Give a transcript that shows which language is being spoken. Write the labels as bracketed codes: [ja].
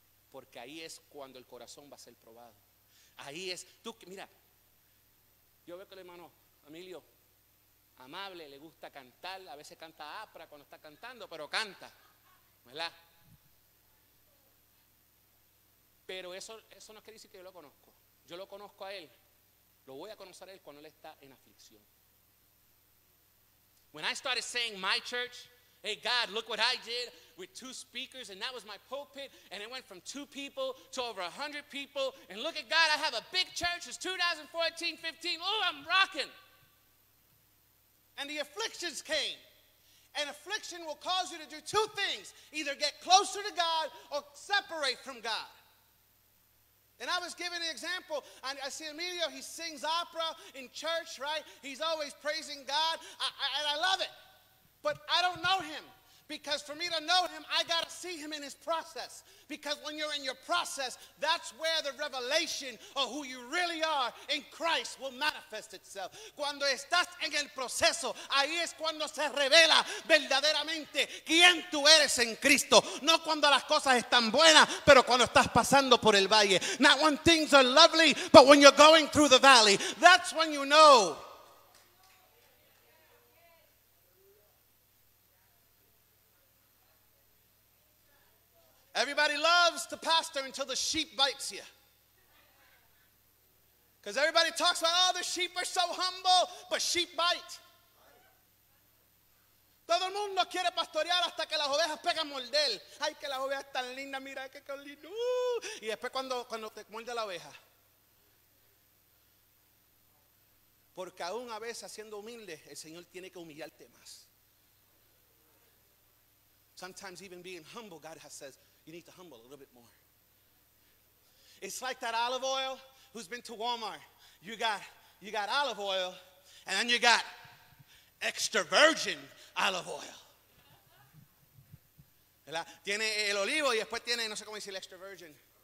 [es] Porque ahí es cuando el corazón va a ser probado. Ahí es, tú que mira, yo veo que el hermano Emilio, amable, le gusta cantar. A veces canta apra cuando está cantando, pero canta, ¿verdad? Pero eso no quiere decir que yo lo conozco. Yo lo conozco a él. Lo voy a conocer a él cuando él está en aflicción. [en] When I started saying my church, hey God, look what I did with two speakers, and that was my pulpit, and it went from two people to over 100 people, and look at God, I have a big church, it's 2014-15, oh, I'm rocking. And the afflictions came. And affliction will cause you to do two things, either get closer to God or separate from God. And I was giving an example. I see Emilio, he sings opera in church, right? He's always praising God, and I love it. But I don't know him, because for me to know him, I got to see him in his process. Because when you're in your process, that's where the revelation of who you really are in Christ will manifest itself. [es] Cuando estás en el proceso, ahí es cuando se revela verdaderamente quién tú eres en Cristo. No cuando las cosas están buenas, pero cuando estás pasando por el valle. [en] Not when things are lovely, but when you're going through the valley. That's when you know. Everybody loves the pastor until the sheep bites you. Because everybody talks about, oh, the sheep are so humble, but sheep bite. [es] Todo el mundo quiere pastorear hasta que las ovejas pegan morder. Ay, que las ovejas están lindas, mira que lindo. Y después cuando te muerde la oveja. Porque aún a veces siendo humilde, el Señor tiene que humillarte más. [en] Sometimes even being humble, God has says, you need to humble a little bit more. It's like that olive oil who's been to Walmart. You got olive oil, and then you got extra virgin olive oil. [es] Tiene el olivo y después tiene, no sé cómo decir, [en] extra virgin.